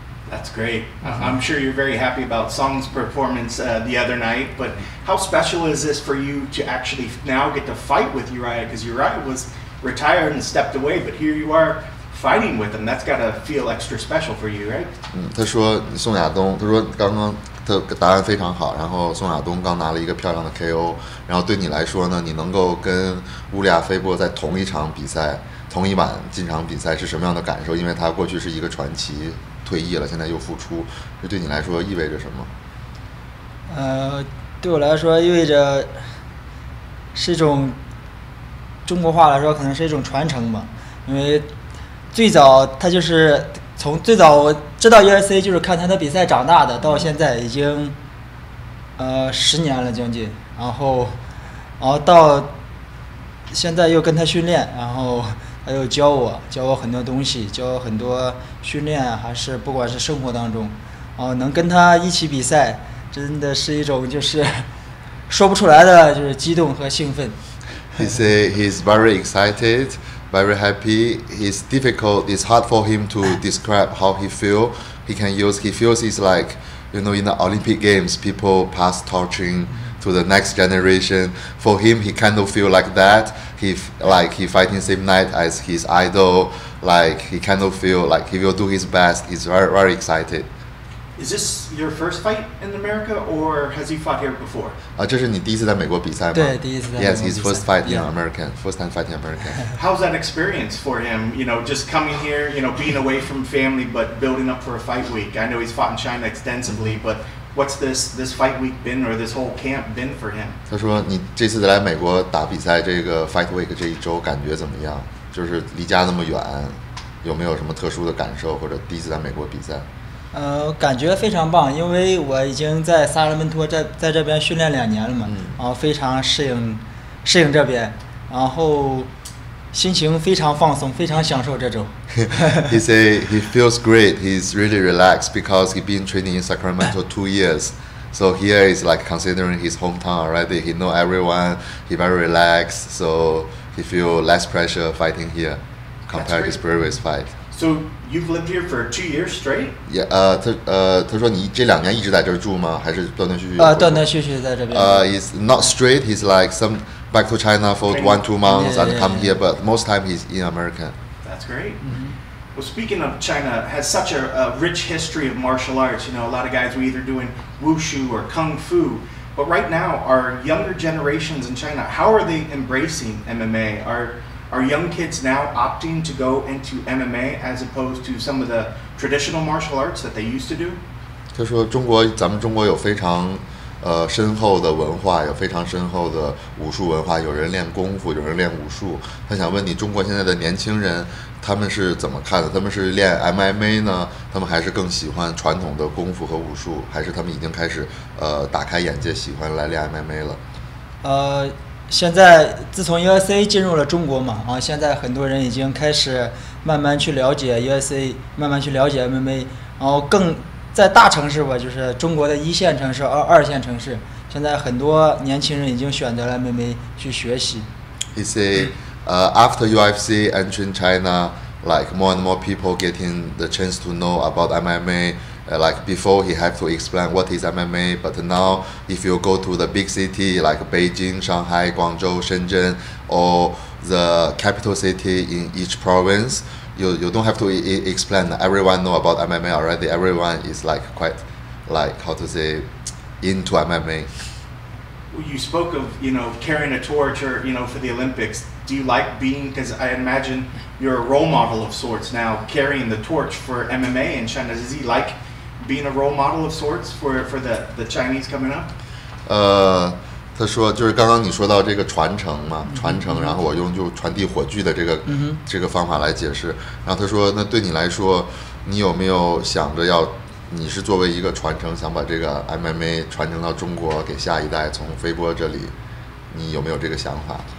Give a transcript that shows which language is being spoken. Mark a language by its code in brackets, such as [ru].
[en] That's great. I'm sure you're very happy about Song's performance the other night, but how special is this for you to actually now get to fight with Uriah? Because Uriah was retired and stepped away, but here you are fighting with them, that's gotta feel extra special for you, right? [zh] 他说宋亚东，他说刚刚他答案非常好，然后宋亚东刚拿了一个漂亮的 KO，然后对你来说呢，你能够跟乌利亚菲波在同一场比赛、同一晚进场比赛是什么样的感受？因为他过去是一个传奇，退役了，现在又复出，这对你来说意味着什么？对我来说意味着是一种，中国话来说可能是一种传承吧，因为。最早他就是从最早我知道 UFC 就是看他的比赛长大的，到现在已经10年了将近，然后到现在又跟他训练，然后他又教我很多东西，教我很多训练，还是不管是生活当中，能跟他一起比赛，真的是一种就是说不出来的就是激动和兴奋。 [en] He say he's very excited, very happy. It's difficult. It's hard for him to describe how he feel. He feels it's like, in the Olympic Games, people pass torching to the next generation. For him, he kind of feel like that. He fighting same night as his idol. Like he kind of feel like he will do his best. He's very, very excited. Is this your first fight in America, or has he fought here before? [zh] 这是你第一次在美国比赛吗对，第一次在美 [en] ？Yes, [zh] 国 [en] his [zh] 比赛。 [en] first fight in American, first time fighting American. How's that experience for him? Just coming here, being away from family, but building up for a fight week. I know he's fought in China extensively, but what's this fight week been, or this whole camp been for him? [zh] 他说："你这次来美国打比赛，这个 fight week 这一周感觉怎么样？就是离家那么远，有没有什么特殊的感受，或者第一次在美国比赛？" 感觉非常棒，因为我已经在萨拉门托在这边训练2年了嘛，然后非常适应这边，然后心情非常放松，非常享受这种。 [en] He say he feels great. He's really relaxed because he's been training in Sacramento 2 years. So here is like considering his hometown already. He know everyone. He very relaxed. So he feel less pressure fighting here That's compared to his great. previous fight. So you've lived here for 2 years straight? [zh] 他说你这2年一直在这住吗？还是断断续续有回断断国？续续在这边。 [en] He's not straight. He's like some back to China for one, two months and come here, but most time he's in America. That's great. Well, speaking of China, has such a rich history of martial arts. A lot of guys were either doing wushu or kung fu. But right now, our younger generations in China, how are they embracing MMA? Are young kids now opting to go into MMA as opposed to some of the traditional martial arts that they used to do? [zh] 他说："咱们中国有非常，深厚的文化，有非常深厚的武术文化。有人练功夫，有人练武术。他想问你，中国现在的年轻人，他们是怎么看的？他们是练 MMA 呢？他们还是更喜欢传统的功夫和武术？还是他们已经开始，打开眼界，喜欢来练 MMA 了？" 现在自从 UFC 进入了中国嘛，现在很多人已经开始慢慢去了解 UFC，慢慢去了解 MMA，然后更在大城市吧，就是中国的一线城市、二线城市，现在很多年轻人已经选择了 MMA 去学习。 [en] He say, after UFC entering China, like more and more people getting the chance to know about MMA, Like before, he had to explain what is MMA, but now if you go to the big city like Beijing, Shanghai, Guangzhou, Shenzhen, or the capital city in each province, you don't have to explain. Everyone know about MMA already. Everyone is like quite, like how to say, into MMA. You spoke of, you know, carrying a torch or, you know, for the Olympics. Do you like being, because I imagine you're a role model of sorts now, carrying the torch for MMA in China. Does he like being a role model of sorts for the Chinese coming up? [zh] 他说就是刚刚你说到这个传承嘛，传承，然后我用就传递火炬的这个方法来解释。然后他说，那对你来说，你有没有想着要，你是作为一个传承，想把这个 MMA 传承到中国给下一代，从飞波这里，你有没有这个想法？